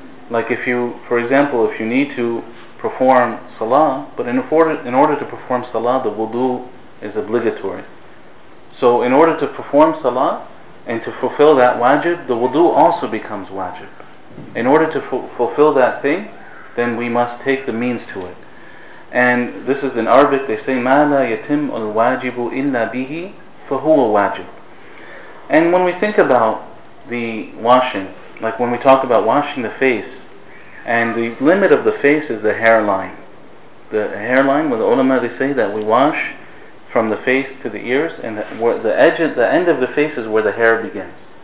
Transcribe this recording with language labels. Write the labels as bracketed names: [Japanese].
[English] Like if you, for example, if you need to perform salah, but in order to perform salah, the wudu is obligatory. So in order to perform salah and to fulfill that wajib, the wudu also becomes wajib. In order to fulfill that thing, then we must take the means to it. And this is in Arabic, they say, [Arabic] مَا لَا يَتِمُ الْوَاجِبُ إِلَّا بِهِ فَهُوَ وَاجِبُ. [English] And when we think about the washing, like when we talk about washing the face, and the limit of the face is the hairline. The hairline, where the ulama, they say that we wash from the face to the ears, and the end of the face is where the hair begins.